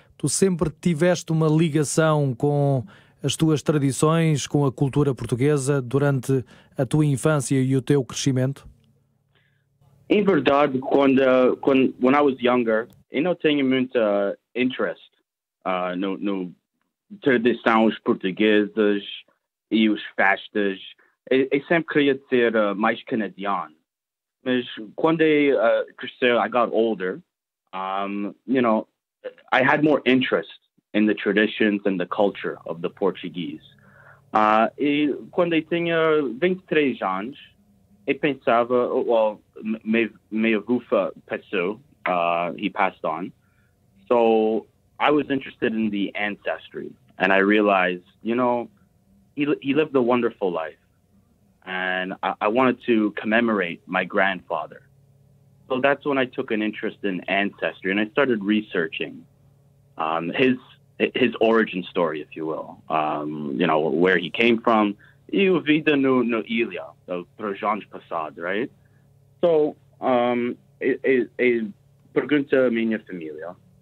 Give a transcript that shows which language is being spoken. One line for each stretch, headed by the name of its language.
Portuguese: Tu sempre tiveste uma ligação com as tuas tradições, com a cultura portuguesa, durante a tua infância e o teu crescimento? Em verdade, quando
English: I was younger,
Portuguese: eu não tinha muita interest no tradições portuguesas e os festas. Eu sempre queria ser mais canadiano. Mas quando eu cresci,
English: I got older, I had more interest in the traditions and the culture of the Portuguese.
Portuguese: E quando eu tinha 23 anos, eu pensava, meu avô passou,
English: he passed on. So I was interested in the ancestry. And I realized, he lived a wonderful life. And I wanted to commemorate my grandfather. So that's when I took an interest in ancestry. And I started researching his origin story, if you will. Where he came from.
Portuguese: E o vida no ilha, para os anos passados, right? So, pergunta a minha família.